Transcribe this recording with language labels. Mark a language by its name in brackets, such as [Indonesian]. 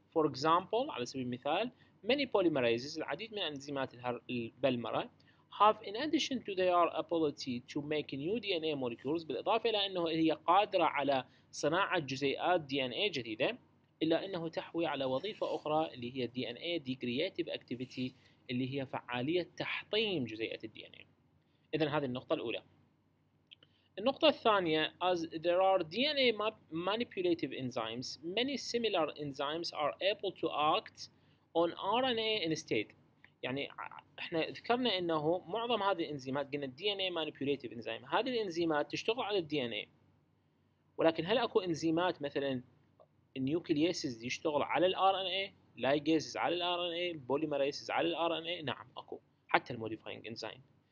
[Arabic] فور اكزامبل، على سبيل المثال، ماني بوليمرايزز، العديد من انزيمات البلمرة، [English] have in addition to their ability to make new DNA molecules، [Arabic] بالإضافة إلى أنه هي قادرة على صناعة جزيئات DNA جديدة، إلا أنه تحوي على وظيفة أخرى اللي هي [English] DNA degradative activity، [Arabic] اللي هي فعالية تحطيم جزيئات DNA. إذن هذه النقطة الأولى. النقطة الثانية، [English] as there are DNA manipulative enzymes، many similar enzymes are able to act on RNA instead. [Arabic] يعني احنا ذكرنا انه معظم هذه الانزيمات، قلنا الدي ان اي مانيبيوليتيف انزيم، هذه الانزيمات تشتغل على الدي ان اي، ولكن هل اكو انزيمات مثلا النيوكلييسز يشتغل على الار ان اي، لايجيزز على الار ان اي، بوليمرايزز على الار ان اي؟ نعم اكو، حتى الموديفاينج انزيم.